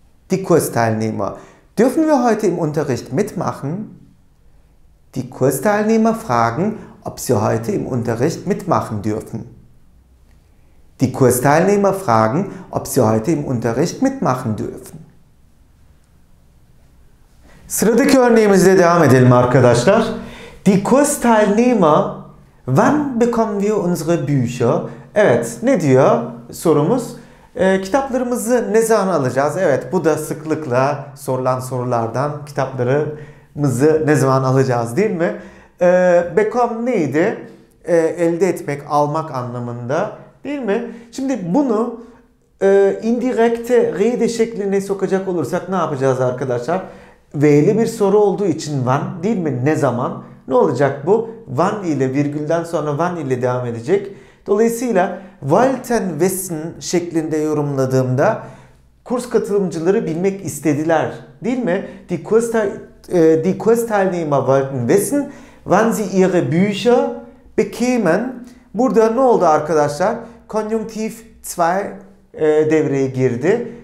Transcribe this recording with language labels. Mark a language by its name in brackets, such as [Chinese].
[German] Die Kursteilnehmer. Dürfen wir heute im Unterricht mitmachen? Die Kursteilnehmer fragen, ob sie heute im Unterricht mitmachen dürfen. Die Kursteilnehmer fragen, ob sie heute im Unterricht mitmachen dürfen. [Turkish] Sıradaki örneğimizle devam edelim arkadaşlar. [German] Die Kursteilnehmer, wann bekommen wir unsere Bücher? [Turkish] Evet, ne diyor sorumuz? Kitaplarımızı ne zaman alacağız? Evet, bu da sıklıkla sorulan sorulardan, kitaplarımızı ne zaman alacağız, değil mi? Bekommen neydi? Elde etmek, almak anlamında, değil mi? Şimdi bunu indirekte rede şekline sokacak olursak ne yapacağız arkadaşlar? V'li bir soru olduğu için wann, değil mi? Ne zaman? Ne olacak bu? Wann ile virgülden sonra wann ile devam edecek. Dolayısıyla [German] wollten wissen [Turkish] şeklinde yorumladığımda kurs katılımcıları bilmek istediler, değil mi? [German] Die Kursteilnehmer wollten wissen, wann sie ihre Bücher bekämen. [Turkish] Burada ne oldu arkadaşlar? Konjunktif 2 devreye girdi.